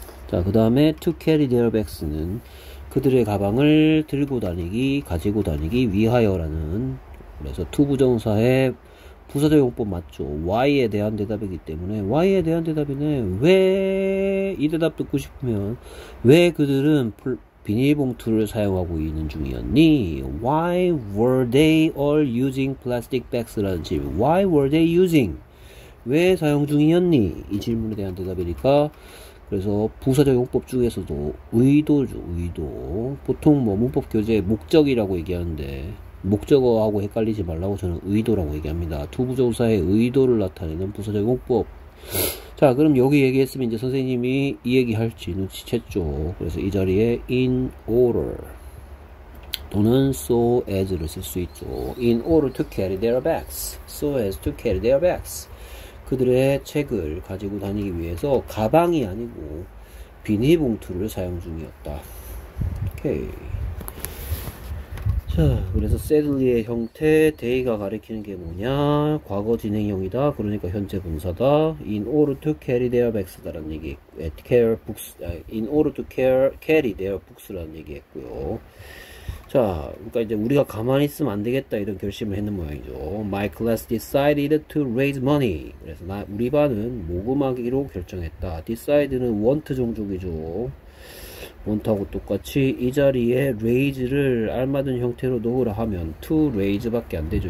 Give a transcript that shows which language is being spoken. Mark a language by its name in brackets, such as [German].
[Korean] 자그 다음에 [English] to carry their bags [Korean] 는 그들의 가방을 들고 다니기 가지고 다니기 위하여라는 그래서 to 부정사의 부사적 용법 맞죠? why에 대한 대답이기 때문에 why에 대한 대답이네. 왜이 대답 듣고 싶으면 왜 그들은 비닐봉투를 사용하고 있는 중이었니? [English] why were they all using plastic bags [Korean] 라는 질문. [English] why were they using? [Korean] 왜 사용 중이었니? 이 질문에 대한 대답이니까 그래서 부사적 용법 중에서도 의도죠. 의도. 보통 뭐 문법 교재에 목적이라고 얘기하는데 목적어하고 헷갈리지 말라고 저는 의도라고 얘기합니다. 투부정사의 의도를 나타내는 부사적 용법. 자, 그럼 여기 얘기했으면 이제 선생님이 이 얘기할지 눈치챘죠. 그래서 이 자리에 [English] in order [Korean] 또는 [English] so as [Korean] 를 쓸수 있죠. [English] In order to carry their bags. So as to carry their bags. [Korean] 그들의 책을 가지고 다니기 위해서 가방이 아니고 비닐봉투를 사용 중이었다. 오케이. 자, 그래서 sadly의 형태, they가 가리키는 게 뭐냐? 과거 진행형이다. 그러니까 현재 분사다. [English] In order to carry their bags [Korean] 다라는 얘기, [English] care books, in order to carry their books [Korean] 라는 얘기했고요. 자, 그러니까 이제 우리가 가만히 있으면 안 되겠다 이런 결심을 했는 모양이죠. [English] My class decided to raise money. [Korean] 그래서 우리 반은 모금하기로 결정했다. Decide는 want 종족이죠. want하고 똑같이 이 자리에 raise를 알맞은 형태로 넣으라 하면 to raise밖에 안 되죠.